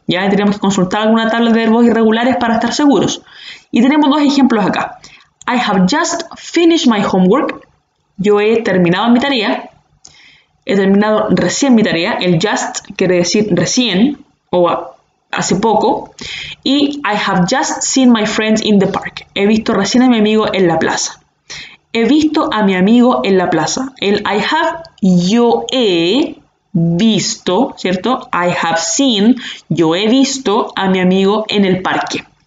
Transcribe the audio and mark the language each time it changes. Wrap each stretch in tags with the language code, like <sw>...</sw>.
<es>Ya tendríamos que consultar alguna tabla de verbos irregulares para estar seguros. Y tenemos dos ejemplos acá.</es> <en>I have just finished my homework.</en> <es>Yo he terminado mi tarea. He terminado recién mi tarea. El just quiere decir recién o hace poco.</es> <en>Y I have just seen my friends in the park.</en> <es>He visto recién a mi amigo en la plaza. He visto a mi amigo en la plaza. El I have, yo he visto, ¿cierto?</es> <en>I have seen,</en> <es>yo he visto a mi amigo en el parque.</es>